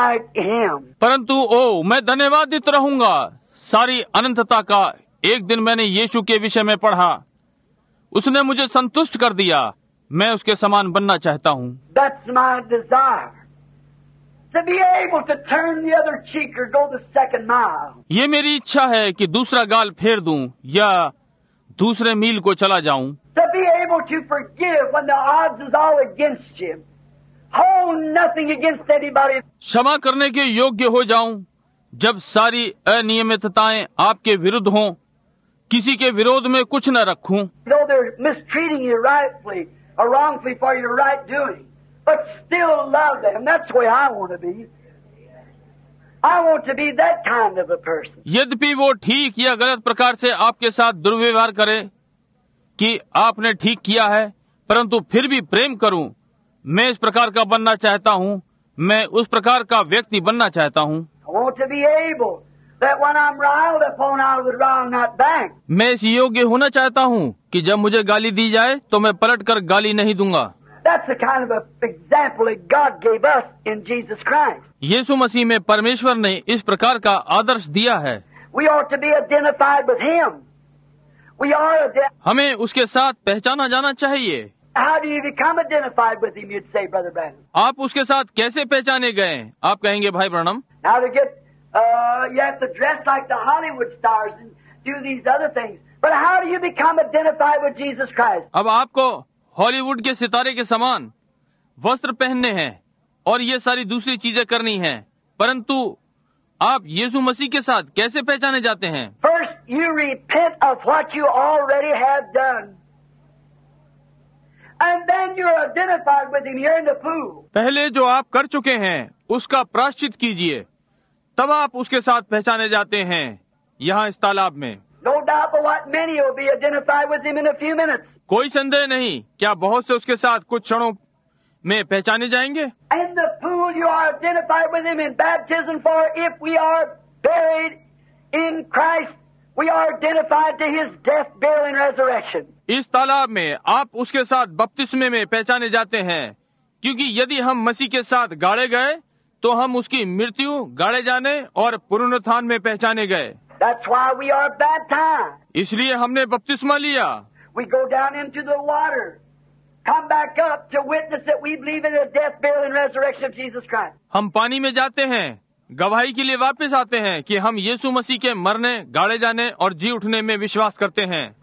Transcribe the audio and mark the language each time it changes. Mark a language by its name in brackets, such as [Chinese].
[Hindi] परंतु ओ, मैं धन्यवादित रहूंगा सारी अनंतता का, एक दिन मैंने यीशु के विषय में पढ़ा, उसने मुझे संतुष्ट कर दिया, मैं उसके समान बनना चाहता हूँ। [English] That's my desire. To be able to turn the other cheek or go the second mile. [Hindi] ये मेरी इच्छा है कि दूसरा गाल फेर दूं या दूसरे मील को चला जाऊं। [English] To be able to forgive when the odds is all against you. Hold nothing against anybody. [Hindi] क्षमा करने के योग्य हो जाऊं जब सारी अनियमितताएं आपके विरुद्ध हों, किसी के विरोध में कुछ न रखूं। [English] Though they're mistreating you rightfully or wrongfully for your right doing. But still love them. That's the way I want to be. I want to be that kind of a person. [Hindi] यद्यपि वो ठीक या गलत प्रकार से आपके साथ दुर्व्यवहार करे कि आपने ठीक किया है, परंतु फिर भी प्रेम करूं, मैं इस प्रकार का बनना चाहता हूं, मैं उस प्रकार का व्यक्ति बनना चाहता हूं। [English] I want to be able that when I'm riled upon, I would rile not back. [Hindi] मैं इस योग्य होना चाहता हूं कि जब मुझे गाली दी जाए तो मैं पलट कर गाली नहीं दूंगा। [English] That's the kind of example that God gave us in Jesus Christ. [Hindi] यीशु मसीह में परमेश्वर ने इस प्रकार का आदर्श दिया है। [English] We ought to be identified with Him. We are. [Hindi] हमें उसके साथ पहचाना जाना चाहिए। [English] How do you become identified with him? You'd say, Brother Branham. [Hindi] आप उसके साथ कैसे पहचाने गए? आप कहेंगे भाई Branham. [English] Now to get, you have to dress like the Hollywood stars and do these other things. But how do you become identified with Jesus Christ? [Hindi] अब आपको हॉलीवुड के सितारे के समान वस्त्र पहनने हैं और ये सारी दूसरी चीजें करनी हैं, परंतु आप यीशु मसीह के साथ कैसे पहचाने जाते हैं? [English] First, you repent of what you already have done. And then you're identified with him. You're in the pool. [Hindi] पहले जो आप कर चुके हैं उसका प्राश्चित कीजिए, तब आप उसके साथ पहचाने जाते हैं यहाँ इस तालाब में. [English] No doubt but what many will be identified with him in a few minutes. [Hindi] कोई संदेह नहीं क्या बहुत से उसके साथ कुछ क्षणों में पहचाने जाएंगे. [English] In the pool you are identified with him in baptism, for if we are buried in Christ, we are identified to his death, burial and resurrection. [Hindi] इस तालाब में आप उसके साथ बपतिस्मे में पहचाने जाते हैं, क्योंकि यदि हम मसीह के साथ गाड़े गए तो हम उसकी मृत्यु, गाड़े जाने और पुनरुत्थान में पहचाने गए. [English] That's why we are baptized. [Hindi] इसलिए हमने बपतिस्मा लिया. [English] We go down into the water, come back up to witness that we believe in the death, burial and resurrection of Jesus Christ. [Hindi] हम पानी में जाते हैं, गवाही के लिए वापस आते हैं कि हम यीशु मसीह के मरने, गाड़े जाने और जी उठने में विश्वास करते हैं.